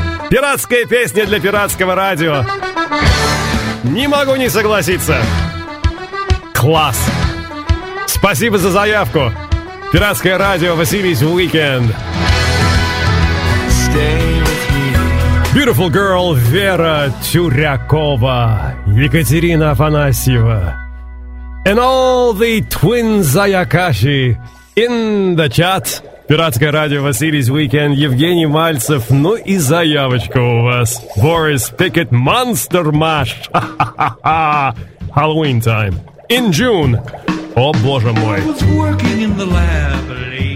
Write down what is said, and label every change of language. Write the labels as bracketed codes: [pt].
[ru] Пиратская песня для пиратского радио. Не могу не согласиться. Класс. Спасибо за заявку. Пиратское радио, Василий's Weekend. [en] Beautiful girl, Вера Тюрякова, Екатерина Афанасьева. And all the twins Аякаши in the chat. [ru] Пиратское радио, Василий's Weekend, Евгений Мальцев, ну и заявочка у вас. [en] Boris Pickett, Monster Mash. Halloween time. In June. [ru] О, боже мой. [en] I was working in the lab late.